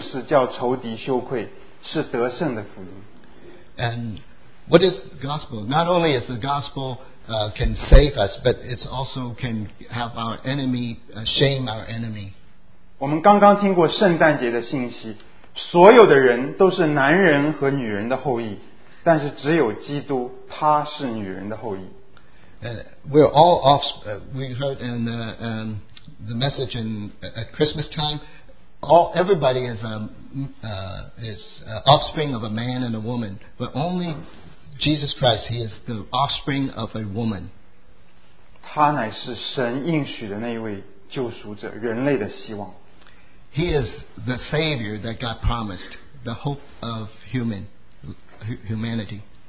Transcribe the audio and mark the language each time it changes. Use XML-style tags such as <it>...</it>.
<zh>所以感谢神，神的福音不但是拯救能够帮助我们需要的福音，神的福音更是叫仇敌羞愧，是得胜的福音。</zh> <en>And what is the gospel? Not only is the gospel can save us, but it also can have our enemy shame our enemy.</en> <zh>我们刚刚听过圣诞节的信息，所有的人都是男人和女人的后裔，但是只有基督，他是女人的后裔。</zh> <en>We're all off. We heard in the message in at Christmas time. Everybody is offspring of a man and a woman, but only Jesus Christ, He is the offspring of a woman.</en> <zh>他乃是神应许的那一位救赎者，人类的希望。</zh> <en>He is the Savior that God promised, the hope of humanity.</en>